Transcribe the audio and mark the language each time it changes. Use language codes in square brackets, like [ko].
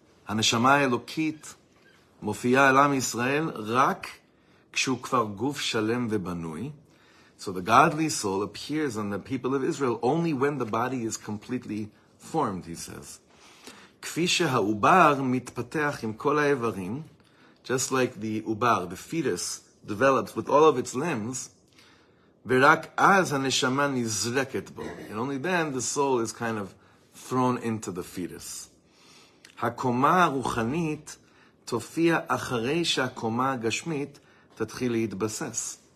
[he] הנשמה האלוקית מופיעה על עם ישראל רק כשהוא כבר גוף שלם ובנוי. [en] So the godly soul appears on the people of Israel only when the body is completely formed, he says. [he] כפי שהעובר מתפתח עם כל האיברים, [en] just like the ubar, the fetus, develops with all of its limbs, [he] ורק אז הנשמה נזרקת בו. [en] And only then the soul is kind of thrown into the fetus. [he] הקומה הרוחנית תופיע אחרי שהקומה הגשמית תתחיל להתבסס.